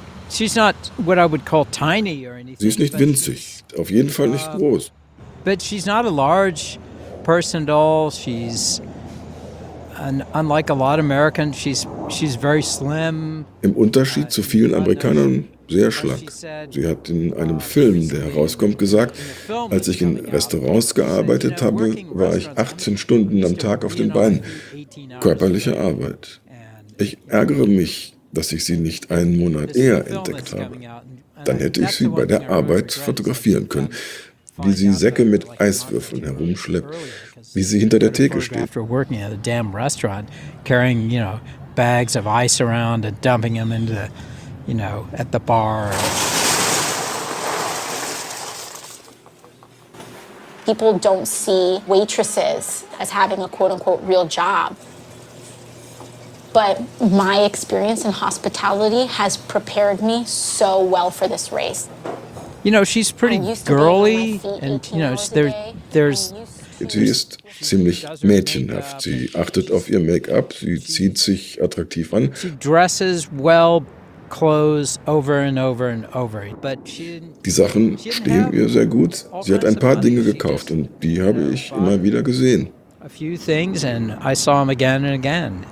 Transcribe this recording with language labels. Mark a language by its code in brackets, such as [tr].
[en] She's not what I would call tiny or anything. [de] Sie ist nicht winzig, auf jeden Fall nicht groß. [en] But she's not a large person at all. She's And unlike a lot of Americans, she's very slim. [de] Im Unterschied zu vielen Amerikanern, sehr schlank. Sie hat in einem Film, der herauskommt, gesagt, als ich in Restaurants gearbeitet habe, war ich 18 Stunden am Tag auf den Beinen. Körperliche Arbeit. Ich ärgere mich, dass ich sie nicht einen Monat eher entdeckt habe. Dann hätte ich sie bei der Arbeit fotografieren können, wie sie Säcke mit Eiswürfeln herumschleppt, wie sie hinter der Theke steht. [en] After working at a damn restaurant, carrying, you know, bags of ice around and dumping them into the, you know, at the bar. People don't see waitresses as having a quote-unquote real job. But my experience in hospitality has prepared me so well for this race. You know, she's pretty girly, and, you know, there's... [de] Sie ist ziemlich mädchenhaft. Sie achtet auf ihr Make-up. Sie zieht sich attraktiv an. [en] She dresses well, clothes over and over and over. But [de] die Sachen stehen ihr sehr gut. Sie hat ein paar Dinge gekauft und die habe ich immer wieder gesehen. [en] A few things and I saw them again and again.